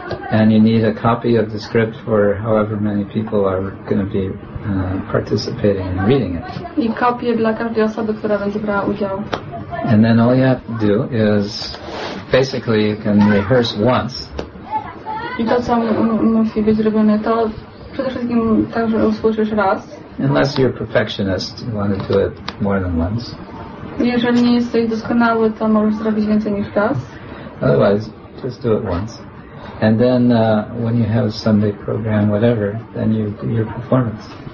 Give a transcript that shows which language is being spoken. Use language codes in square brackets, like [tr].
[en] And you need a copy of the script for however many people are going to be participating in reading it. [pl] I kopię dla każdej osoby, która będzie brała udział. [en] And then all you have to do is basically you can rehearse once. [pl] I to, co musi być zrobione, to przede wszystkim tak, że usłyszysz raz. [en] Unless you're a perfectionist, you want to do it more than once. [pl] Jeżeli nie jesteś doskonały, to możesz zrobić więcej niż raz. [en] Otherwise, just do it once. And then when you have a Sunday program, whatever, then you do your performance.